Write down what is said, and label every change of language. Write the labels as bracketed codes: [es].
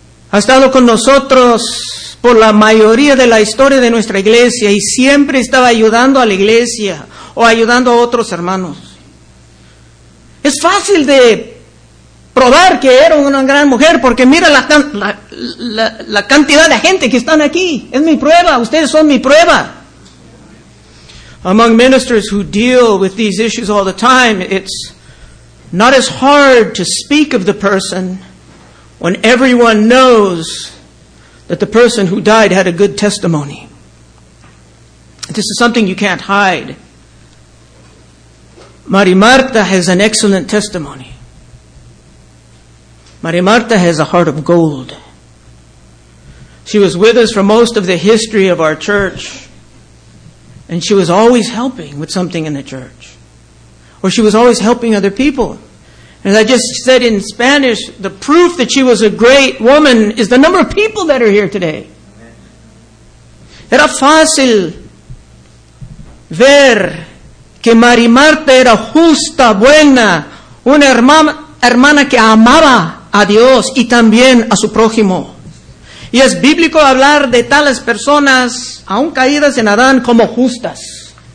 [es] Ha estado con nosotros por la mayoría de la historia de nuestra iglesia y siempre estaba ayudando a la iglesia o ayudando a otros hermanos. Es fácil de probar que era una gran mujer porque mira la cantidad de gente que están aquí. Es mi prueba, ustedes son mi prueba. [en] Among ministers who deal with these issues all the time, it's not as hard to speak of the person when everyone knows that the person who died had a good testimony. This is something you can't hide. Mary Marta has an excellent testimony. Mary Marta has a heart of gold. She was with us for most of the history of our church, and she was always helping with something in the church, or she was always helping other people. As I just said in Spanish, the proof that she was a great woman is the number of people that are here today. [es] Era fácil ver que Mary Marta era justa, buena, una hermana que amaba a Dios y también a su prójimo. Y es bíblico hablar de tales personas, aun caídas en Adán, como justas.